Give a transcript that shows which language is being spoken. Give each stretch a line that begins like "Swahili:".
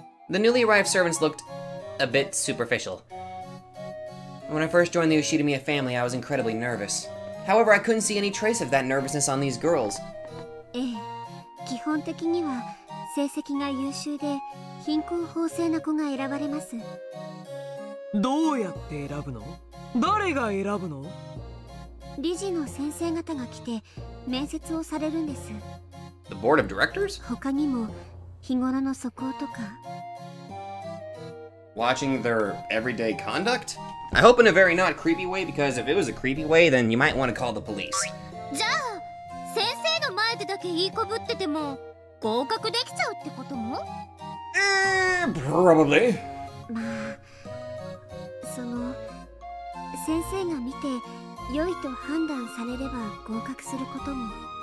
English: The newly arrived servants looked a bit superficial. When I first joined the Ushidomiya family, I was incredibly nervous. However, I couldn't see any trace of that nervousness on these girls.
Japanese: ええ、基本的には成績が優秀で貧困法制な子が選ばれます。どうやって選ぶの？誰が選ぶの？理事の先生方が来て面接をされるんです。
English: The board of directors?
Japanese: 他にも日頃の素行とか。
English: Watching their everyday conduct? I hope in a very not creepy way, because if it was a creepy way, then you might want to call the police.
Japanese: じゃあ、先生の前でだけいいこぶってても、合格できちゃうってことも？
English: Probably.
Japanese: まあ、その、先生が見て、良いと判断されれば合格することも。